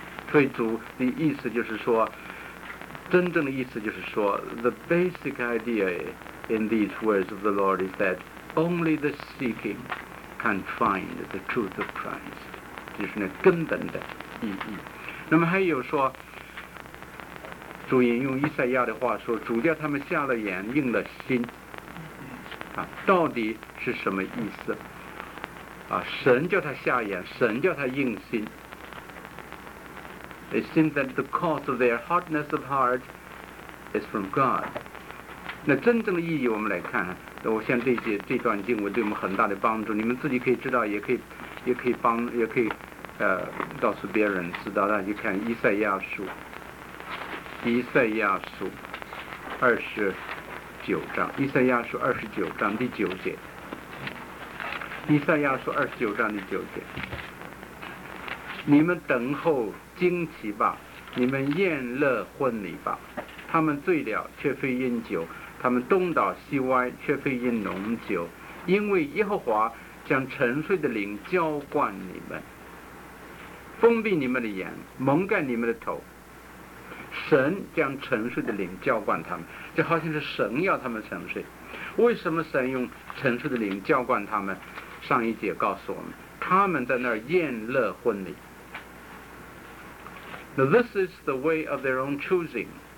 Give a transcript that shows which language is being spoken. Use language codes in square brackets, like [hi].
[zh] 所以主的意思就是说，真正的意思就是说， [en] The basic idea in these words of the Lord is that only the seeking can find the truth of Christ， [zh] 就是那根本的意义。那么还有说，主引用以赛亚的话说，主叫他们瞎了眼，硬了心。啊，到底是什么意思？啊，神叫他瞎眼，神叫他硬心。 [en] It seems that the cause of their hardness of heart is from God。 [zh] 那真正的意义，我们来看。我像这段经文对我们很大的帮助，你们自己可以知道，也可以告诉别人知道。大家去看以赛亚书，以赛亚书二十。九章，以赛亚书二十九章第九节，以赛亚书二十九章第九节，你们等候惊奇吧，你们宴乐昏迷吧，他们醉了却非因酒，他们东倒西歪却非因浓酒，因为耶和华将沉睡的灵浇灌你们，封闭你们的眼，蒙盖你们的头。神将沉睡的灵浇灌他们，就好像是神要他们沉睡。为什么神用沉睡的灵浇灌他们？上一节告诉我们，他们在那儿宴乐昏迷。 [en] Now this is the way of their own choosing.